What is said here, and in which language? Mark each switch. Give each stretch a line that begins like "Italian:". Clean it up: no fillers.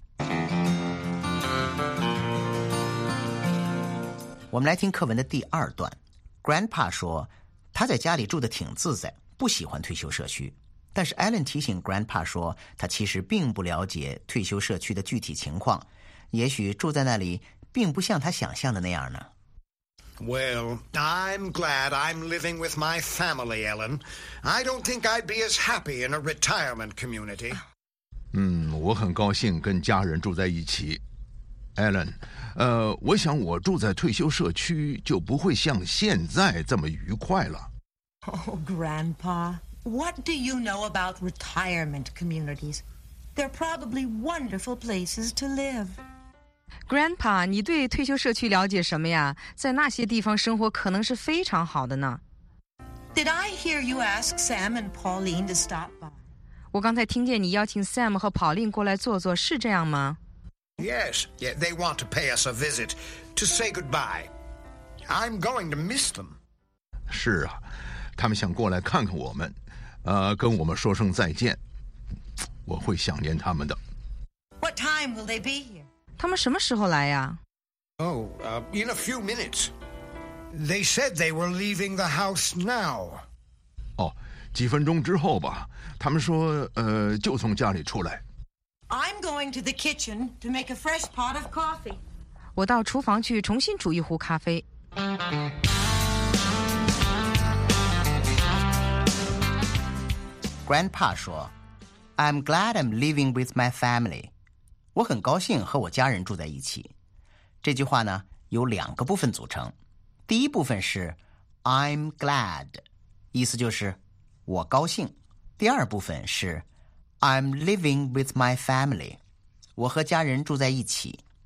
Chinese: 我们来听课文的第二段。 Grandpa 说他在家里住得挺自在，不喜欢退休社区，但是 Alan 提醒 Grandpa 说他其实并不了解退休社区的具体情况，也许住在那里并不像他想象的那样呢。
English: Well, I'm glad I'm living with my family, Ellen. I don't think I'd be as happy in a retirement community.
Chinese: 我很高兴跟家人住在一起。Ellen, 我想我住在退休社区就不会像现在这么愉快了。
English: Oh, Grandpa, what do you know about retirement communities? They're probably wonderful places to live.
Chinese: Grandpa, 你对退休社区了解什么呀？在那些地方生活可能是非常好的呢。
English: Did I hear you ask Sam and Pauline to stop by?
Chinese: 我刚才听见你邀请 Sam 和 Pauline 过来坐坐，是这样吗？
English: Yes, yeah, they want to pay us a visit to say goodbye. I'm going to miss them.
Chinese: 是啊，他们想过来看看我们，跟我们说声再见。我会想念他们的。
English: What time will they be here?
Chinese: 他们什么时候来呀？
English: In a few minutes. They said they were leaving the house now.
Chinese: 哦，几分钟之后吧。他们说，就从家里出来。
English: I'm going to the kitchen to make a fresh pot of coffee.
Chinese: 我到厨房去重新煮一壶咖啡。
English: Grandpa 说 ，I'm glad I'm living with my family.
Chinese: 我很高兴和我家人住在一起。这句话呢，有两个部分组成。第一部分是
English: I'm glad，
Chinese: 意思就是我高兴。第二部分是
English: I'm living with my family，
Chinese: 我和家人住在一起。